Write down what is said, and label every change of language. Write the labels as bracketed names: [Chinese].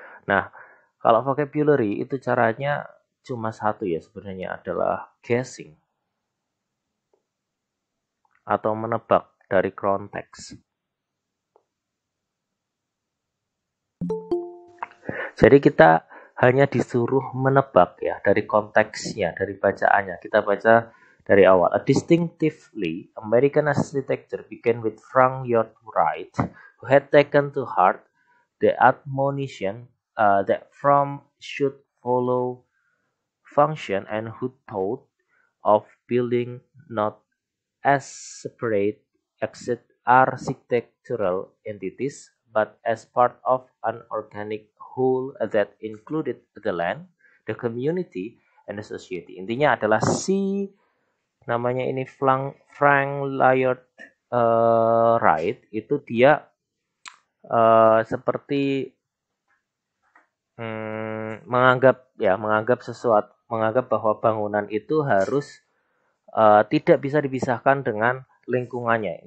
[Indonesian] Nah, kalau vocabulary itu caranya cuma satu ya sebenarnya adalah guessing atau menebak dari konteks. Jadi kita hanya disuruh menebak ya dari konteksnya, dari bacaannya. Kita baca dari awal. [English] A distinctively American architecture began with Frank Lloyd Wright, who had taken to heart the admonition that form should follow function, and who thought of building not as separate architectural entities, but as part of an organic whole that included the land, the community, and the society. [Indonesian] Intinya adalah si namanya ini Frank Lloyd Wright itu dia seperti menganggap bahwa bangunan itu harus tidak bisa dipisahkan dengan lingkungannya.